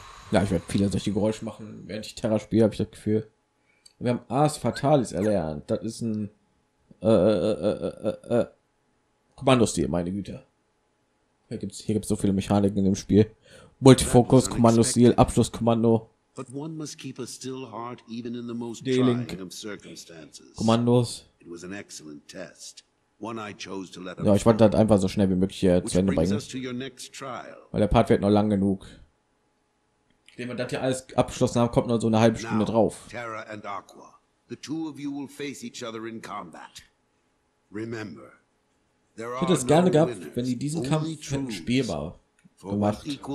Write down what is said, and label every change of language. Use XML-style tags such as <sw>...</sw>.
<de>Ja, ich werde viele solche Geräusche machen, während ich Terra spiele, habe ich das Gefühl. Wir haben Ars Fatalis erlernt. Das ist ein Kommandostil, meine Güte. Hier gibt's so viele Mechaniken in dem Spiel. Multifokus, Kommandostil, Abschlusskommando.</de> <en>But one must keep a still heart even in the most</en> <de>D-Link.</de> <en>Trying of circumstances.</en> <de>Kommandos.</de> <en>It was an excellent test. One I chose to let</en> <de>ja, ich wollte halt einfach so schnell wie möglich hier zu Ende bringen. Weil der Part wird noch lang genug. Wenn wir das hier alles abgeschlossen haben, kommt noch so eine halbe Stunde</de> <en>now,</en> <de>drauf.</de> <en>Terra and Aqua. The two of you will face each other in combat. Remember.</en> <de>Ich hätte es gerne gehabt, wenn sie diesen Kampf hätten spielbar gemacht.</de>